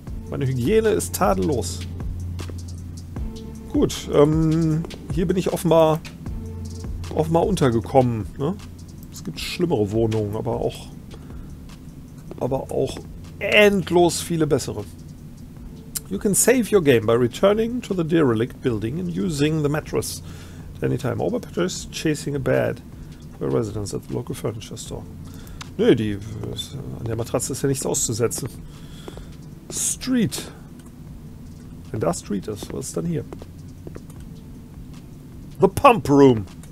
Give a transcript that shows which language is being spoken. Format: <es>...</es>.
<de>Meine Hygiene ist tadellos. Gut, hier bin ich offenbar untergekommen, ne? Es gibt schlimmere Wohnungen, aber auch endlos viele bessere.</de> <en>You can save your game by returning to the derelict building and using the mattress at any time. Or by just chasing a bed for a residence at the local furniture store.</en> <de>Nö, an der Matratze ist ja nichts auszusetzen. Street. Wenn da Street ist, was ist dann hier?</de> <en>The Pump Room.</en>